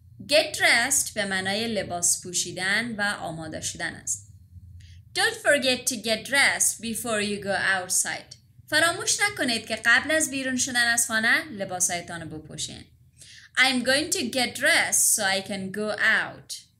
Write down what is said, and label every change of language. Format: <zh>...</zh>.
<fa>Get dressed به معنای لباس پوشیدن و آماده شدن است.</fa> <en>Don't forget to get dressed before you go outside.</en> <fa>فراموش نکنید که قبل از بیرون شدن از خانه لباسایتان رو بپوشین.</fa> <en>I'm going to get dressed so I can go out.</en>